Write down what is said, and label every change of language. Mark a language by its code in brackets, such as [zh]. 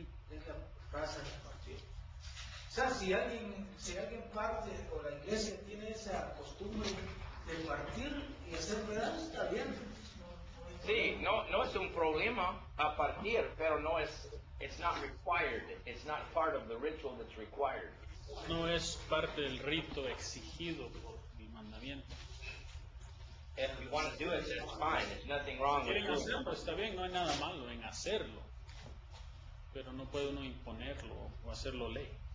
[es] Esta frase repartió. O sea, si alguien parte o la iglesia tiene esa costumbre de partir y hacer pedazos, está bien. Sí, no es un problema a partir, pero no es, [en] it's not required, it's not part of the ritual that's required. [es] No es parte del rito exigido por el mandamiento. [en] If you want to do it, it's fine, there's nothing wrong with it. [es] Quieren hacerlo, está bien, no hay nada malo en hacerlo, pero no puede uno imponerlo o hacerlo ley.